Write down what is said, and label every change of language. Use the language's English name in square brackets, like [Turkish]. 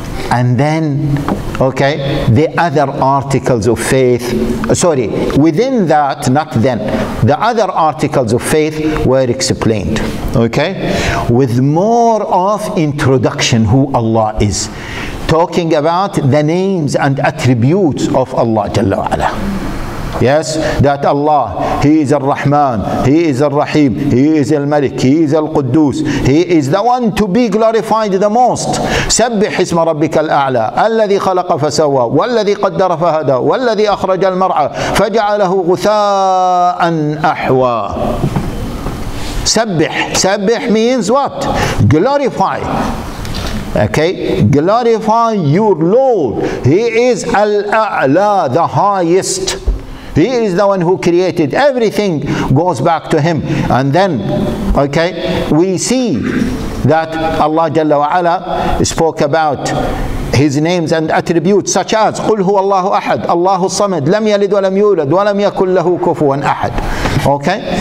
[English] And then, okay, the other articles of faith, sorry, within that, not then, the other articles of faith were explained, okay, with more of introduction who Allah is, talking about the names and attributes of Allah Jalla wa Ala. Yes, that Allah, He is Ar-Rahman, He is Ar-Rahim, He is Al-Malik, He is Al-Quddus, He is the one to be glorified the most. [Arabic] سبح اسم ربك الأعلى الذي خلق فسوى والذي قدر فهدى والذي أخرج المرعى فجعله غثاء أحوى. [English] سبح, سبح means what? Glorify. Okay, glorify your Lord. He is Al-A'la, the highest. He is the one who created. Everything goes back to him. And then, okay, we see that Allah Jalla wa Ala spoke about his names and attributes, such as [Arabic] قُلْ هُوَ اللَّهُ أَحَدٌ اللَّهُ الصَّمَدُ لَمْ يَلِدْ وَلَمْ يُولَدْ وَلَمْ يَكُنْ لَهُ كُفُوًا أَحَدٌ. [English] Okay?